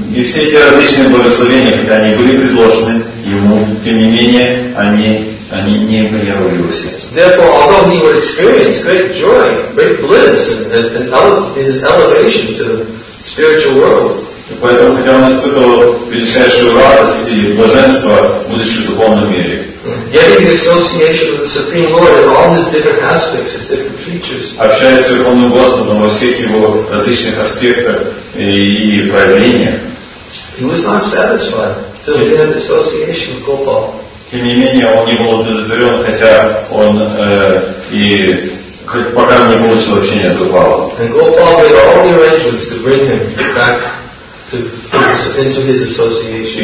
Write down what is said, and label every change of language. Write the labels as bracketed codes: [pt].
[ru] И все эти различные благословения, когда они были предложены ему, тем не менее, они не появились в его сердце. [en] Therefore, although he would experience great joy, great bliss, and his elevation to the spiritual world. [ru] Поэтому, хотя он испытывал величайшую радость и блаженство, будучи в духовном мире. [en] Getting the association with the Supreme Lord in all his different aspects, his different features. [ru] Общаясь с Верховным Господом во всех его различных аспектах и проявлениях. [en] He was not satisfied till he had the association with Gopal. [ru] Тем не менее, он не был удовлетворен, хотя он пока не получил общения с Гопалом. [en] And Gopal made all the arrangements to bring him back into his association.